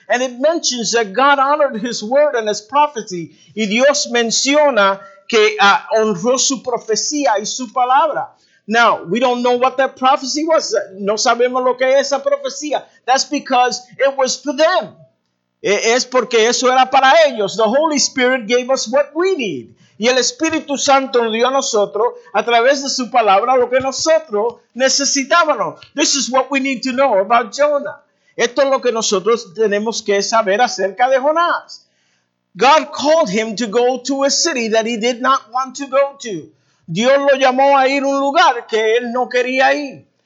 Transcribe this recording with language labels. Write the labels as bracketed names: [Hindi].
[English] And it mentions that God honored his word and his prophecy. [Spanish] Y Dios menciona que honró su profecía y su palabra. [English] Now, we don't know what that prophecy was. [Spanish] No sabemos lo que es esa profecía. [English] That's because it was for them. [Spanish] Es porque eso era para ellos. [English] The Holy Spirit gave us what we need. [Spanish] Y el Espíritu Santo nos dio a nosotros, a través de su palabra, lo que nosotros necesitábamos. [English] This is what we need to know about Jonah. [Spanish] Esto es lo que nosotros tenemos que saber acerca de Jonás. [English] God called him to go to a city that he did not want to go to. [Spanish] Dios lo llamó a ir a un lugar que él no quería ir.